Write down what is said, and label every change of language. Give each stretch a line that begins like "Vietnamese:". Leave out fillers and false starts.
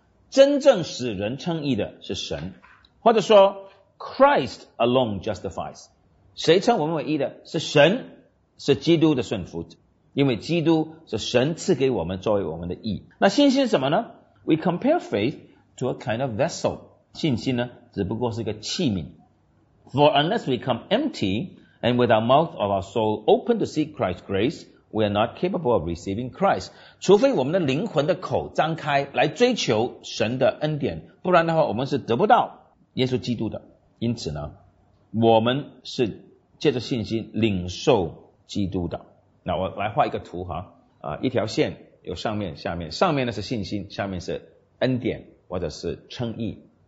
Chinese: 真正使人称义的是神，或者说
English: Christ alone justifies.
Chinese: 谁称我们为义的？是神，是基督的顺服，因为基督是神赐给我们作为我们的义。那信心是什么呢？
English: We compare faith to a kind of vessel.
Chinese: 信心呢，只不过是一个器皿。
English: For unless we come empty and with our mouth of our soul open to seek Christ's grace, we are not capable of receiving Christ.
Chinese: 除非我们的灵魂的口张开来追求神的恩典，不然的话我们是得不到耶稣基督的。因此呢，我们是借着信心领受基督的。那我来画一个图哈，一条线有上面下面，上面呢是信心，下面是恩典或者是称义。